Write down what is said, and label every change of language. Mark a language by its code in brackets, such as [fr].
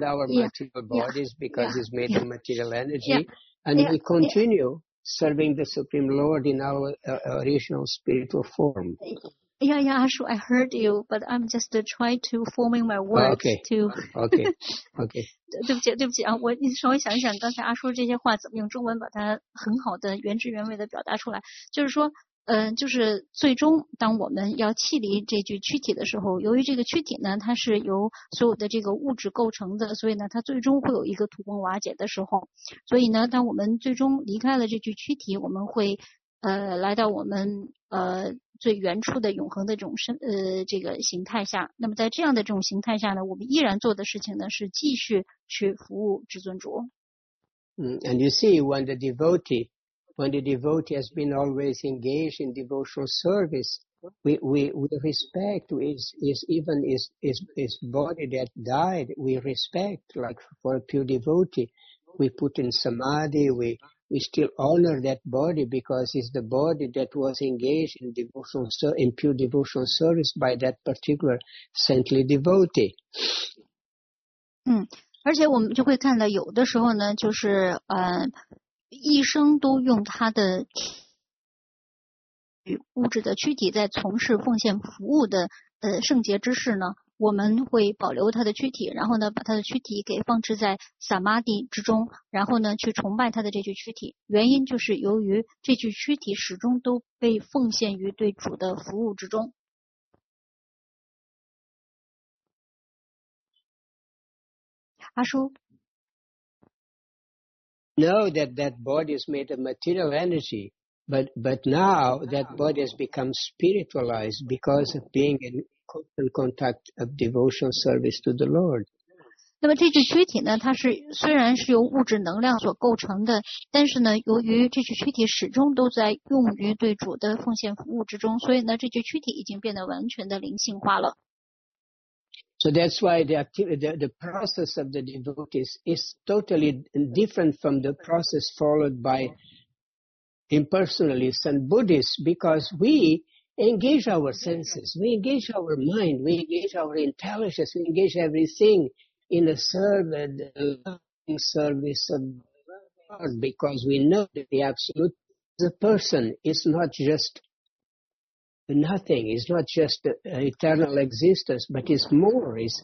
[en] eventually we discard our material bodies because it's made of material energy and we continue serving the Supreme Lord in our original spiritual form. Yeah, Ashu, I heard you, but I'm just trying to forming my words okay. [zh] 对不起啊，我你稍微想一想刚才阿叔这些话怎么用中文把它很好的原汁原味的表达出来，就是说就是最终当我们要弃离这具躯体的时候，由于这个躯体呢它是由所有的这个物质构成的，所以呢它最终会有一个土崩瓦解的时候，所以呢当我们最终离开了这具躯体，我们会来到我们最原初的永恒的这种这个形态下，那么在这样的这种形态下呢，我们依然做的事情呢是继续去服务至尊主。 [en] And you see when the devotee has been always engaged in devotional service, we respect his body that died. We respect, like for a pure devotee, we put in samadhi, we still honor that body because it's the body that was engaged in devotional in pure devotional service by that particular saintly devotee. [zh] 而且我们就会看到有的时候呢，就是一生都用他的物质的躯体在从事奉献服务的圣洁之事呢，我们会保留他的躯体，然后呢把他的躯体给放置在萨玛迪之中，然后呢去崇拜他的这具躯体。原因就是由于这具躯体始终都被奉献于对主的服务之中。阿叔。 [en] Know that that body is made of material energy, but now that body has become spiritualized because of being in constant contact of devotional service to the Lord. [zh] 那么这具躯体呢，它是虽然是由物质能量所构成的，但是呢，由于这具躯体始终都在用于对主的奉献服务之中，所以呢，这具躯体已经变得完全的灵性化了。 [en] So that's why the process of the devotees is totally different from the process followed by impersonalists and Buddhists, because we engage our senses, we engage our mind, we engage our intelligence, we engage everything in a service of God, because we know that the absolute is a person, is not justNothing is not just eternal existence, but it's more.